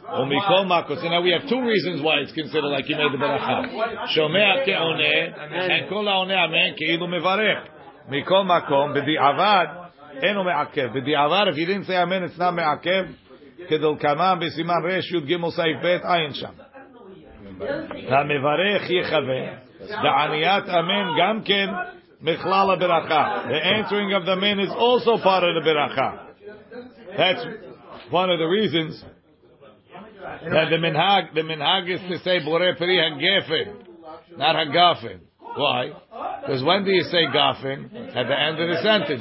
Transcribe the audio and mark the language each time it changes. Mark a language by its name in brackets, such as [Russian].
[Hebrew] ומכל מקום, [English] so now we have two reasons why it's considered like he made the ברכה. [Hebrew] שומע כעונה, and כל העונה אמן, כאילו מברך. מכל מקום, בדיעבד, אינו מעכב. [English] בדיעבר, if you didn't say amen, it's not מעכב. [Hebrew] כדלקמן בסימן רש, י' ג' סעיף ב', אין שם. המברך יחווה, בעניית אמן גם כן מכלל הברכה. [English] The answering of the man is also part of the ברכה. That's one of the reasons that the minhag is to say [Hebrew] בורא פרי הגפן, [English] not הגפן. Why? Because when do you say gafen? At the end of the sentence.